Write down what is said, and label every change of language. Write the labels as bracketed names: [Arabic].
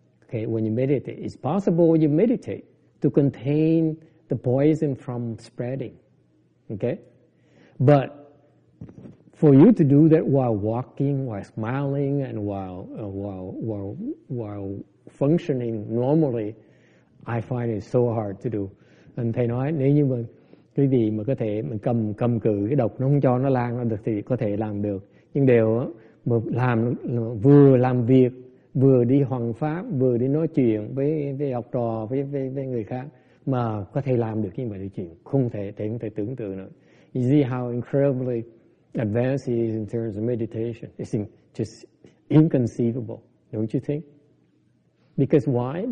[English] When you meditate, it's possible when you meditate to contain the poison from spreading. Okay. But for you to do that while walking, while smiling, and while functioning normally, I find it so hard to do. [Vietnamese] And thầy nói nếu như mà quý vị mà có thể mình cầm cự cái độc nó không cho nó lan ra được thì có thể làm được. Nhưng đều mà làm vừa làm việc vừa đi hoằng pháp, vừa đi nói chuyện với học trò, với người khác mà có thể làm được như vậy thì chuyện không thể, thầy không thể tưởng tượng nữa. [English] You see how incredibly advanced he is in terms of meditation. It's just inconceivable, don't you think? Because why?